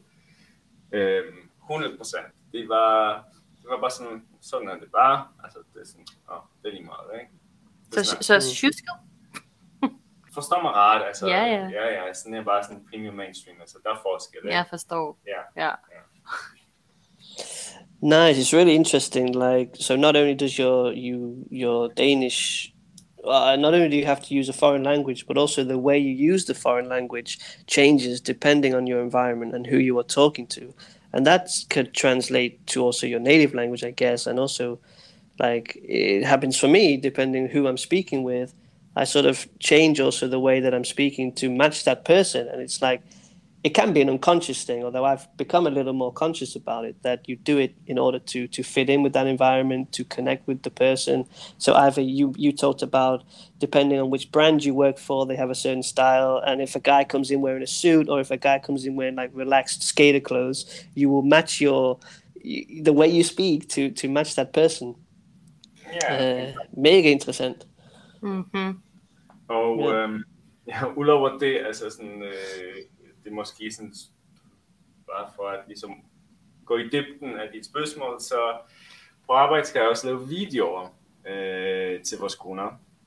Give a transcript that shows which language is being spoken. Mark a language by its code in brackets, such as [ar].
[da] 100%. Det var bare sådan at det var. Altså, det er sådan, det er lige meget, ikke? Så tjusket? Forstår mig ret, altså. Ja. Sådan er bare sådan premium mainstream, altså der er forskel, ikke? Ja, forstår. Ja. [en] Nice, it's really interesting. Like, so not only does your Danish, not only do you have to use a foreign language, but also the way you use the foreign language changes depending on your environment and who you are talking to, and that could translate to also your native language, I guess. And also, like, it happens for me, depending who I'm speaking with, I sort of change also the way that I'm speaking to match that person, and it's like, it can be an unconscious thing, although I've become a little more conscious about it, that you do it in order to fit in with that environment, to connect with the person. So either you talked about, depending on which brand you work for, they have a certain style. And if a guy comes in wearing a suit, or if a guy comes in wearing like relaxed skater clothes, you will match the way you speak to match that person. Yeah. [da] Mega interessant. Mm-hmm. Og udover det, altså sådan, det er måske sådan, bare for at ligesom gå i dybden af dit spørgsmål, så på arbejde skal jeg også lave videoer til vores kunder.